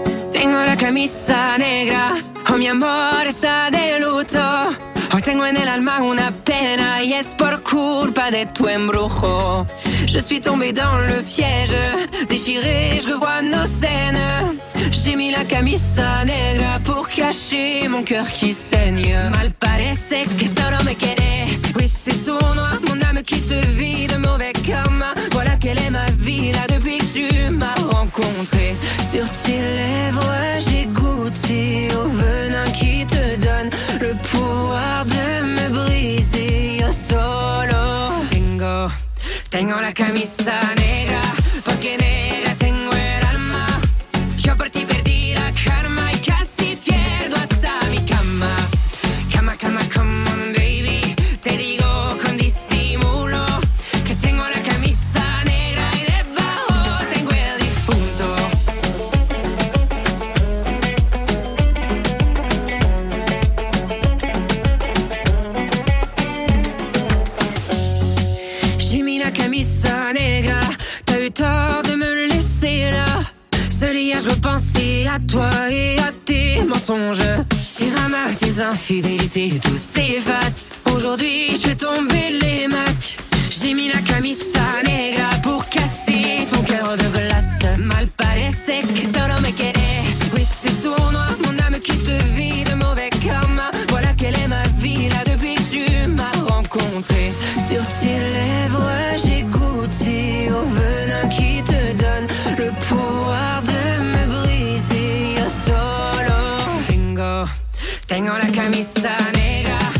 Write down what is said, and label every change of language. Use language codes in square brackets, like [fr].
[es] Tengo la camisa negra, oh mi amor está de luto. Hoy tengo en el alma una pena y es por culpa de tu embrujo. [fr] Je suis tombé dans le piège, déchiré, je revois nos scènes. J'ai mis la camisa negra pour cacher mon cœur qui saigne. [es] Mal parece que solo me quiere. [fr] Oui, c'est sournois, mon âme qui se vide, mauvais karma. Voilà quelle est ma vie là depuis que tu m'as rencontré. Sur tes lèvres, j'ai goûté au venin qui te donne le pouvoir de me briser. [es] Yo solo tengo, tengo la camisa negra. Porque negra tengo el alma. Yo por ti perdí la calma y casi pierdo hasta mi cama. Cama, cama, [en] come on baby, [es] te digo con disimulo que tengo la camisa negra y debajo tengo el difunto. [fr] J'ai mis la camisa [es] camisa negra. [fr] T'as eu tort de me laisser là. Seul hier je repensais à toi et à tes mensonges. Tes dramas, tes infidélités, tout s'efface. Aujourd'hui je fais tomber les masques. J'ai mis la camisa negra pour casser ton cœur de glace. Mal paraissait que solo me querait. Oui c'est sournois, mon âme qui se vit de mauvais karma. Voilà quelle est ma vie là depuis tu m'as rencontré. Sur tes lèvres j'ai goûté au venin qui te donne le pouvoir de me briser. [es] Solo tengo, tengo la camisa negra.